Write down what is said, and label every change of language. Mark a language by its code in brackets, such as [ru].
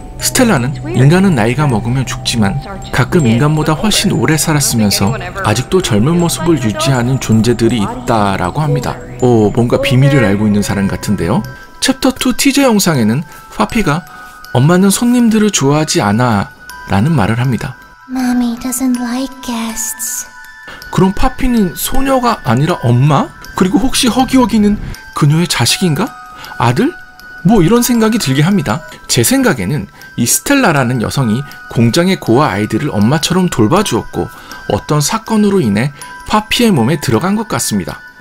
[ko] 스텔라는 인간은 나이가 먹으면 죽지만 가끔 인간보다 훨씬 오래 살았으면서 아직도 젊은 모습을 유지하는 존재들이 있다라고 합니다. 오, 뭔가 비밀을 알고 있는 사람 같은데요? 챕터 2 티저 영상에는 파피가 엄마는 손님들을 좋아하지 않아 라는 말을 합니다. [en] Mommy doesn't like guests. [ko] 그럼 파피는 소녀가 아니라 엄마? 그리고 혹시 허기허기는 그녀의 자식인가? 아들? 뭐 이런 생각이 들게 합니다. 제 생각에는 이 스텔라라는 여성이 공장의 고아 아이들을 엄마처럼 돌봐주었고 어떤 사건으로 인해 파피의 몸에 들어간 것 같습니다.